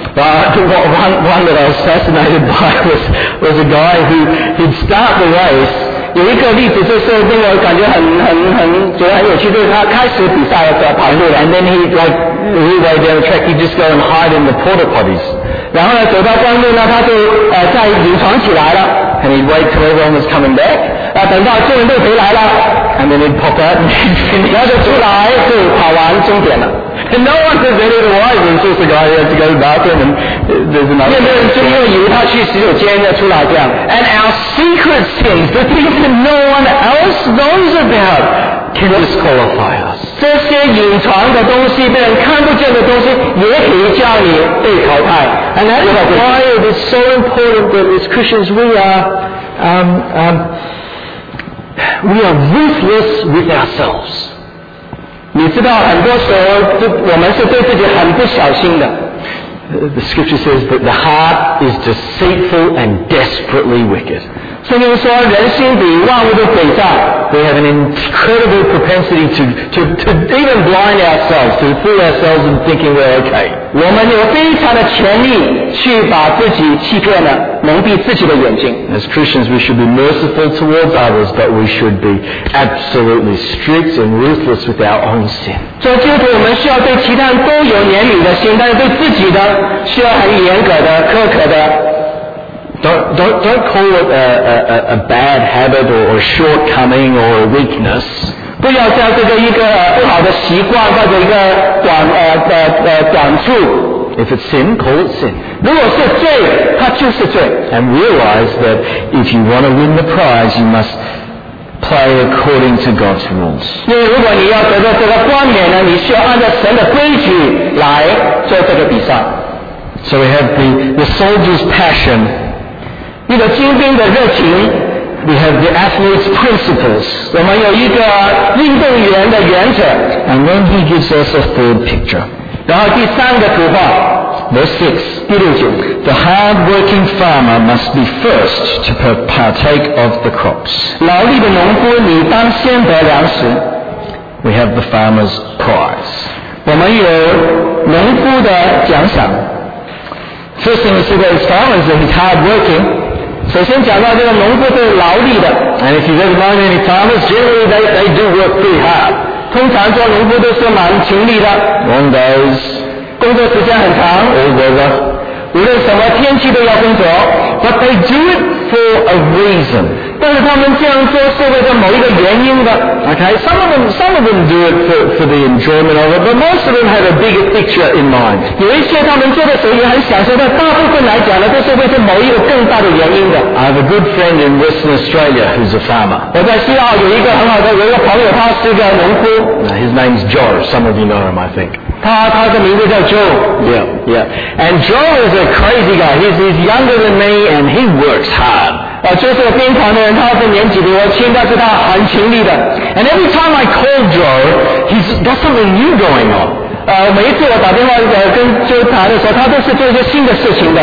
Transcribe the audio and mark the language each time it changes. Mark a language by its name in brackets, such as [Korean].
[English] One that I was fascinated by was a guy who'd start the race. [Chinese] 有一个例子就是令我感觉很觉得很有趣，就是他开始比赛的时候跑路了 [English] ，and then he right down the track, he just go and hide in the porta potties. [Chinese] 然后呢，走到半路呢，他就在隐藏起来了 [English] ，and he wait till everyone was coming back. [Chinese] 等到众人都回来了 [English] ，and then he pop out and finish. [Chinese] 然后就出来就跑完终点了。 [English] And no one says any of the wise, it's just a guy who has to go to the bathroom and there's another one. [Chinese] 就因为以为他去洗手间要出来这样。 [English] And our secret sins, the things that no one else knows about, can disqualify us. [Chinese] 这些隐藏的东西，被人看不见的东西，也可以叫你被淘汰。 [English] And that is why it is so important that as Christians we are, we are ruthless with ourselves. [Chinese] 你知道很多时候我们是对自己很不小心的。 [English] The scripture says that the heart is deceitful and desperately wicked. [Chinese] 圣经说人心比万物都诡诈。 [English] We have an incredible propensity to even blind ourselves, to fool ourselves in thinking we're okay. [Chinese] 我们有非常的权力去把自己欺骗了，蒙蔽自己的眼睛。 [English] As Christians, we should be merciful towards others, but we should be absolutely strict and ruthless with our own sin. [Chinese] 做基督徒，我们需要对其他人都有怜悯的心，但是对自己的需要很严格的、苛刻的。 [English] Don't call it a bad habit or a shortcoming or a weakness. [Chinese] 不要叫这个一个不好的习惯或者一个短处。 [English] If it's sin, call it sin. [Chinese] 如果是罪，它就是罪。 [English] And realize that if you want to win the prize, you must play according to God's rules. [Chinese] 因为如果你要得到这个冠冕呢，你需要按照神的规矩来做这个比赛。 [English] So we have the soldier's passion. [Chinese] 你的精兵的热情 [English] We have the athlete's principles. [Chinese] 我们有一个运动员的原则 [English] And then he gives us a third picture. [Chinese] 然后第三个图画 [English] Verse 6. [Chinese] 第六节 [English] The hard-working farmer must be first to partake of the crops. [Chinese] 劳力的农夫你当先得粮食 [English] We have the farmer's prize. [Chinese] 我们有农夫的奖赏 [English] First thing we see about his farmer is that he's hard-working. [Chinese] 首先讲到这个农夫是劳力的 [English] And if you look at any farmers, generally they do work pretty hard [Chinese] 通常做农夫都是蛮勤力的 [English] Long days [Chinese] 工作时间很长 [English] All weather [Chinese] 无论什么天气都要工作 [English] But they do it for a reason [Chinese] 但是他们这样做是为了某一个原因的 [English] Okay, some of them do it for the enjoyment of it But most of them have a bigger picture in mind [Chinese] 有一些他们做的时候也很享受的大部分来讲呢都是为了某一个更大的原因的 [English] I have a good friend in Western Australia who's a farmer [Chinese] 我在西澳有一个很好的有一个朋友他是个农夫 [English] His name's Joe, some of you know him I think [Chinese] 他的名字叫 Joe [English] Yeah And Joe is a crazy guy He's younger than me and he works hard [Chinese] 就是边防的人他是年纪比我轻但是他很勤力的 [English] And every time I call Joe He's got something new going on [Chinese] 每一次我打电话跟 Joe 谈的时候他都是做一些新的事情的